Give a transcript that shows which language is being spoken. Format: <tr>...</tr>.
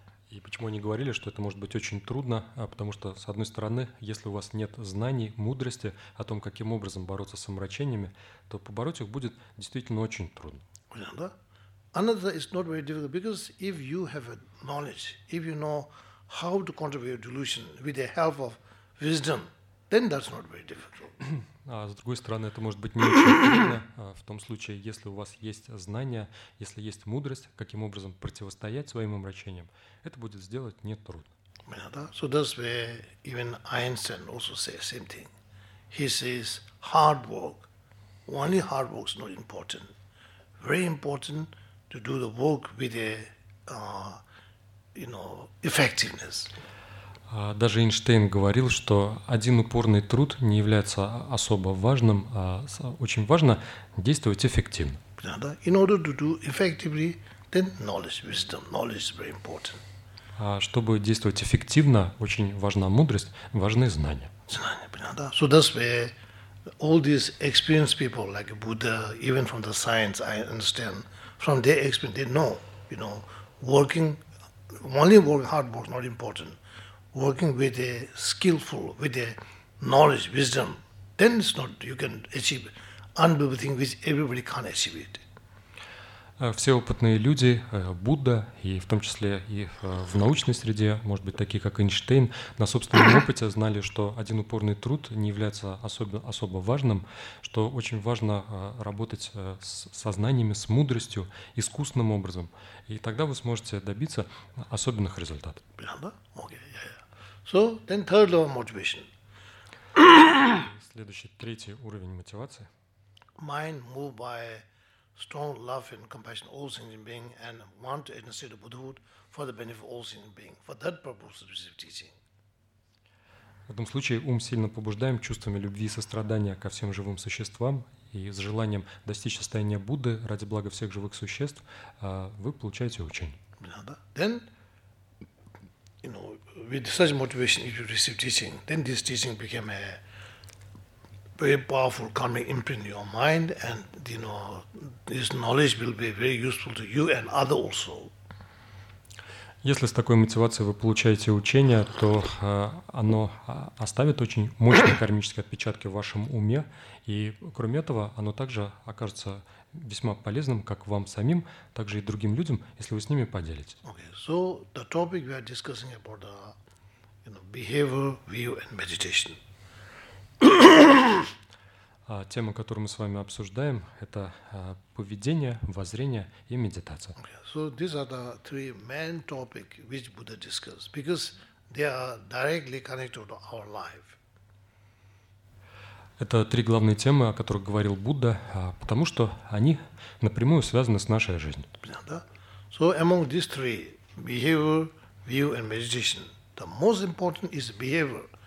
<ru>И почему они говорили, что это может быть очень трудно? Потому что, с одной стороны, если у вас нет знаний, мудрости о том, каким образом бороться с омрачениями, то побороть их будет действительно очень трудно.</ru> <en>Another is not very difficult, because if you have a knowledge, if you know how to contribute your delusion with the help of wisdom, then that's not very difficult.</en> <ru>А с другой стороны, это может быть не очень трудно в том случае, если у вас есть знания, если есть мудрость, каким образом противостоять своим омрачениям, это будет сделать нетрудно.</ru> <en>So that's where even Einstein also says the same thing. He says hard work, only hard work is not important. Very important to do the work with a, you know, effectiveness.</en> <ru>Даже Эйнштейн говорил, что один упорный труд не является особо важным, а очень важно действовать эффективно.</ru> <en>In order to do effectively, then knowledge, wisdom, knowledge is very important.</en> <ru>Чтобы действовать эффективно, очень важна мудрость, важны знания. Знания, понятно?</ru> <en>So that's where all these experienced people, like Buddha, even from the science, I understand, from their experience, they know, you know, working only work, hard work is not important. Working with a skillful, with a knowledge, wisdom, then it's not, you can achieve unbelievable things which everybody can't achieve it.</en> <ru>Все опытные люди, Будда, и в том числе и в научной среде, может быть, такие как Эйнштейн, на собственном опыте знали, что один упорный труд не является особо важным, что очень важно работать с сознаниями, с мудростью, искусным образом. И тогда вы сможете добиться особенных результатов. Следующий, третий уровень мотивации.</ru> <en>Mind moved by strong love and compassion all sentient being and want to enter the Buddhahood for the benefit of all sentient being. For that purpose of receive teaching.</en> <ru>В этом случае ум сильно побуждаем чувствами любви и сострадания ко всем живым существам и с желанием достичь состояния Будды ради блага всех живых существ, вы получаете учение.</ru> <en>Then, you know, with such motivation if you receive teaching, then this teaching became a very powerful karmic imprint in your mind, and you know this knowledge will be very useful to you and other also.</en> <ru>Если с такой мотивацией вы получаете учение, то оно оставит очень мощные кармические отпечатки в вашем уме, и кроме этого, оно также окажется весьма полезным как вам самим, так же и другим людям, если вы с ними поделитесь.</ru> <en>Okay, so the topic we are discussing about the you know behavior, view, and meditation.</en> <ru>Тема, которую мы с вами обсуждаем, это поведение, воззрение и медитация.</ru> <en>Okay. So these are the three main topics which Buddha discussed, because they are directly connected to our life.</en> <ru>Это три главные темы, о которых говорил Будда, потому что они напрямую связаны с нашей жизнью.</ru> <en>Yeah,</en> <ru>да?</ru> <en>So among these three, behavior, view and meditation, the most important is behavior.</en>